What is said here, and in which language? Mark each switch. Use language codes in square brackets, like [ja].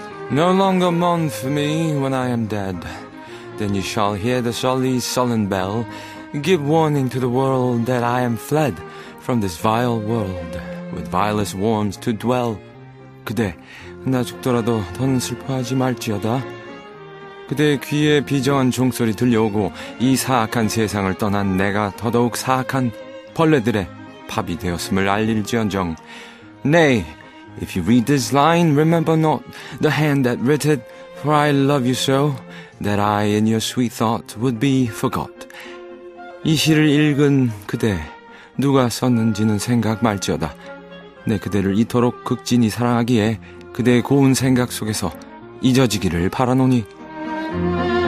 [en] No longer mourn for me when I am dead. Then you shall hear the sullen bell. Give warning to the world that I am fled from this vile world with vilest worms to dwell. [ko] 그대, 나 죽더라도 더는 슬퍼하지 말지어다. 그대의 귀에 비정한 종소리 들려오고 이 사악한 세상을 떠난 내가 더더욱 사악한 벌레들의 밥이 되었음을 알릴지언정. [en] Nay, if you read this line, remember not the hand that writ it, for I love you so, that I in your sweet thought would be forgot. [ko] 이 시를 읽은 그대, 누가 썼는지는 생각 말지어다. 내 그대를 이토록 극진히 사랑하기에 그대의 고운 생각 속에서 잊어지기를 바라노니.